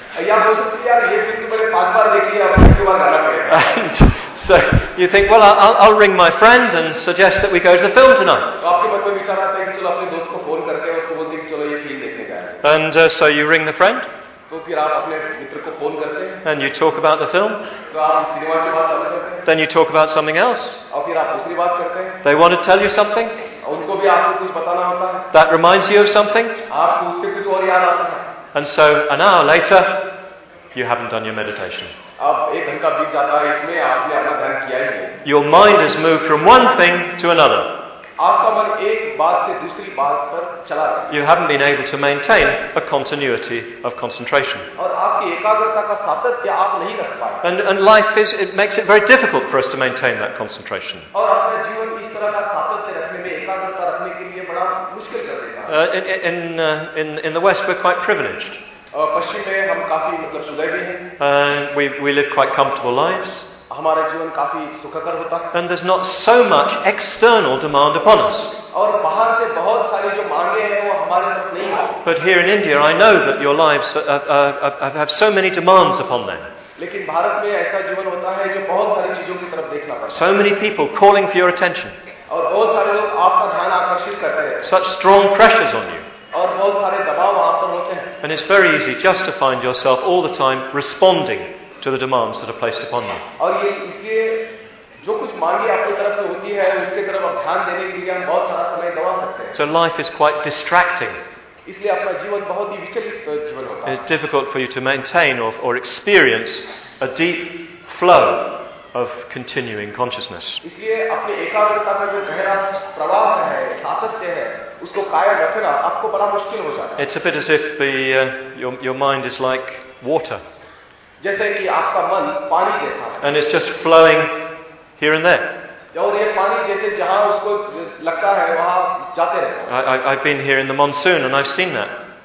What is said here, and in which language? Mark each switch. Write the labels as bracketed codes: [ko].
[hi] या बोल सकते हैं यार ये फिल्म तो मैंने 5 बार देखी है अब फिर से बार गाना पड़ेगा. [en] So you think, well, I'll ring my friend and suggest that we go to the film tonight. [hi] तो आपके मन में विचार आता है कि चलो अपने दोस्त को फोन करते हैं उसको बोलते हैं कि चलो ये फिल्म देखने जाएं. [en] And so you ring the friend. [hi] तो फिर आप अपने मित्र को फोन करते हैं. [en] And you talk about the film. [hi] तो आप सिनेमा की बात करते हैं. [en] Then you talk about something else. [hi] और फिर आप दूसरी बात करते हैं. [en] They want to tell you something. [hi] उनको भी आपको कुछ बताना होता है. [en] That reminds you of something. [hi] आपको उससे कुछ और याद आता है. [en] And so an hour later, you haven't done your meditation. [hi] अब एक घंटा बीत जाता है इसमें आपने अपना ध्यान किया ही नहीं. [en] Your mind has moved from one thing to another. [hi] आपका मन एक बात से दूसरी बात पर चला गया. [en] You haven't been able to maintain a continuity of concentration. [hi] और आपकी एकाग्रता का सातत्य आप नहीं रख पाए. [en] And life is it makes it very difficult for us to maintain that concentration. [hi] और अपने जीवन इस तरह का सातत्य रखने में एकाग्रता रखने के लिए बड़ा मुश्किल कर देता है. [en] In the West we're quite privileged. [hi] पश्चिम में हम काफी मतलब सुखी भी हैं. [en] We live quite comfortable lives. [hi] हमारा जीवन काफी सुखकर होता है. [en] And there's not so much external demand upon us. [hi] और बाहर से बहुत सारी जो मांगे हैं वो हमारे तक नहीं आती. [en] But here in India, I know that your lives have so many demands upon them. [hi] लेकिन भारत में ऐसा जीवन होता है जो बहुत सारी चीजों की तरफ देखना पड़ता है. [en] So many people calling for your attention. [hi] और बहुत सारे लोग आपका ध्यान आकर्षित करते हैं. [en] Such strong pressures on you. [hi] और बहुत सारे दबाव आप पर होते हैं. [en] And it's very easy just to find yourself all the time responding to the demands that are placed upon you. [hi] और ये इसलिए जो कुछ मांगे आपकी तरफ से होती है उसके तरफ आप ध्यान देने के लिए हम बहुत सारा समय गवा सकते हैं. [en] So life is quite distracting. [hi] इसलिए अपना जीवन बहुत ही विचलित जीवन होता है. [en] It's difficult for you to maintain or experience a deep flow of continuing consciousness. [hi] इसलिए अपनी एकाग्रता का जो गहरा प्रवाह है, सातत्य है, उसको कायम रखना आपको बड़ा मुश्किल हो जाता है. [en] It's a bit as if your mind is like water. [hi] जैसे कि आपका मन पानी जैसा है. [en] And it's just flowing here and there. [hi] और ये पानी जैसे जहां उसको लगता है वहां जाते रहते हैं. [en] I've been here in the monsoon and I've seen that.